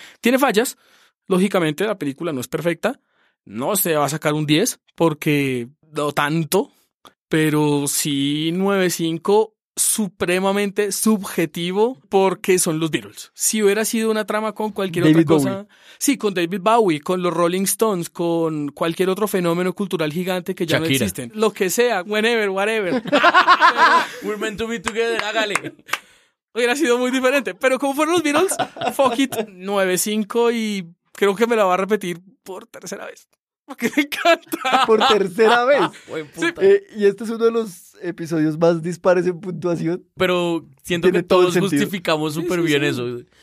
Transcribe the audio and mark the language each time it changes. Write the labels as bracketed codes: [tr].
[es] Tiene fallas, lógicamente la película no es perfecta, no se va a sacar un 10 porque no tanto, pero sí 9.5. Supremamente subjetivo porque son los Beatles. Si hubiera sido una trama con cualquier David otra cosa, Bowie. Sí, con David Bowie, con los Rolling Stones, con cualquier otro fenómeno cultural gigante que ya Shakira. No existen, lo que sea, whatever. [en] We're meant to be together, [es] hágale. Hubiera sido muy diferente, pero como fueron los Beatles, [en] fuck it, [es] 9.5 y creo que me la va a repetir por tercera vez. Porque me encanta. Por tercera vez. Y este es uno de los episodios más dispares en puntuación. Pero siento que todos justificamos súper bien eso.